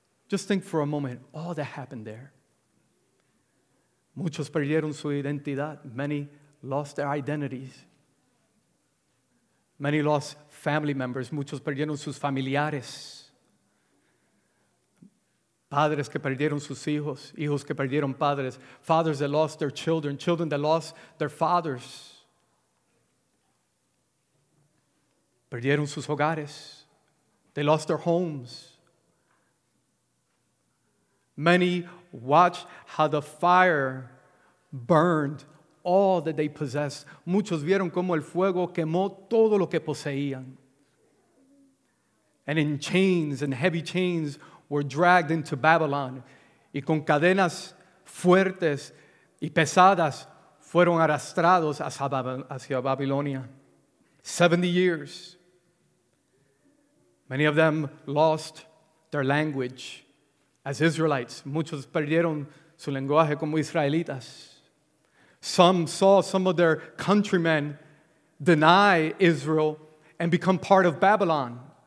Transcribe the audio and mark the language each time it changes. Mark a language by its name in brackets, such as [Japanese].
[English] Just think for a moment, all that happened there. [Spanish] Muchos perdieron su identidad. [English] Many lost their identities. Many lost family members. [Spanish] Muchos perdieron sus familiares. Padres que perdieron sus hijos. Hijos que perdieron padres. [English] Fathers that lost their children. Children that lost their fathers. [Spanish] Perdieron sus hogares. [English] They lost their homes. Many watched how the fire burned all that they possessed. [Spanish] Muchos vieron cómo el fuego quemó todo lo que poseían. [English] And in chains, in heavy chains, were dragged into Babylon. [Spanish] Y con cadenas fuertes y pesadas fueron arrastrados hacia Babilonia. [English] 70 years. Many of them lost their language as Israelites. [Spanish] Muchos perdieron su lenguaje como israelitas. [English] Some saw some of their countrymen deny Israel and become part of Babylon.